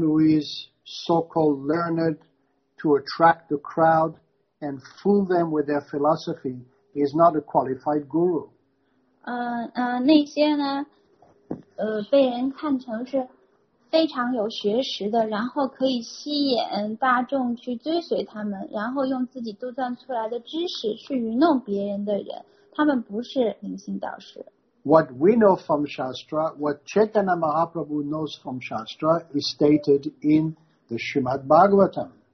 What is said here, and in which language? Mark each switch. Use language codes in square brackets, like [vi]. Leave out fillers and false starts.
[en] who is so-called learned to attract the crowd and fool them with their philosophy is not a qualified guru. [zh] 那些呢，被人看成是非常有学识的，然后可以吸引大众去追随他们，然后用自己杜撰出来的知识去愚弄别人的人，他们不是灵性导师。 [en] What we know from Shastra, what Chaitanya Mahaprabhu knows from Shastra is stated in the Srimad Bhagavatam.